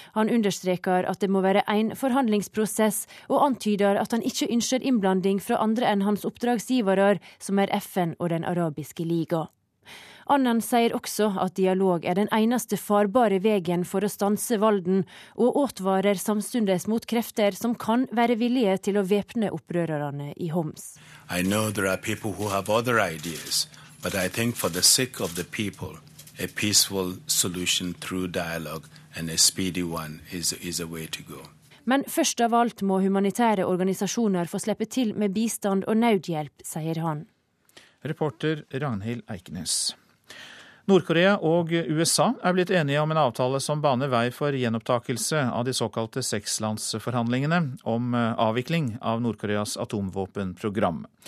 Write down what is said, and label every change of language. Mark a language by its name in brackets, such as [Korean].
[Norwegian] Han understreker at det må være en forhandlingsprosess, og antyder at han ikke ønsker innblanding fra andre enn hans oppdragsgivere, som er FN og Den arabiske liga. Annan sier også at dialog er den eneste farbare vegen for å stanse volden, og advarer samstundes mot krefter som kan være villige til å væpne opprørerne i Homs. [English] I know there are people who have other ideas, but I think for the sake of the people, a peaceful solution through dialogue and a speedy one is a way to go. [Norwegian] Men først av alt må humanitære organisasjoner få slippe til med bistand og nødhjelp, sier han. Reporter Ragnhild Eikenes. Nord-Korea og USA er blitt enige om en avtale som baner vei for gjenopptakelse av de såkalte sekslandsforhandlingene om avvikling av Nord-Koreas atomvåpenprogram.